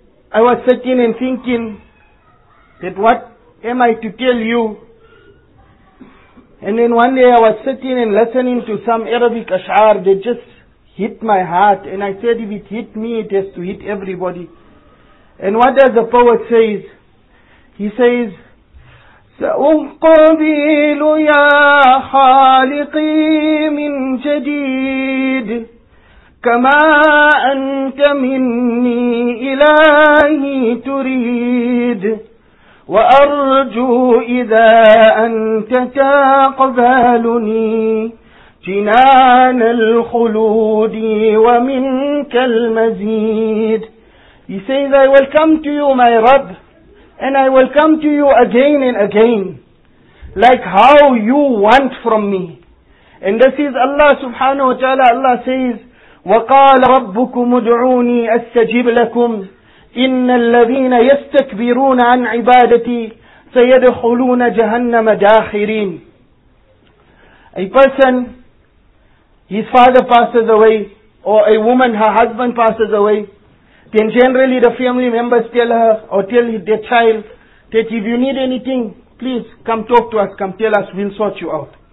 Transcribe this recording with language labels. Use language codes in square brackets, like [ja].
[en] I was sitting and thinking that what am I to tell you? And then one day I was sitting and listening to some Arabic ash'ar that just hit my heart. And I said, if it hit me, it has to hit everybody. And what does the poet say? He says, [ar] سأقبل يا خالقي من جديد كما أنت مني إلهي تريد وأرجو إذا أنت تقبلني جنان الخلود ومنك المزيد. [en] He says, I will come to you, my Rabb. And I will come to you again and again, like how you want from me. And this is Allah subhanahu wa ta'ala. Allah says, [ar] وَقَالَ رَبُّكُمُ ادْعُونِي أَسْتَجِبْ لَكُمْ إِنَّ الَّذِينَ يَسْتَكْبِرُونَ عَنْ عِبَادَتِي سَيَدْخُلُونَ جَهَنَّمَ دَاخِرِينَ. [en] A person, his father passes away, or a woman, her husband passes away, then generally the family members tell her or tell their child that if you need anything, please come talk to us, come tell us, we'll sort you out.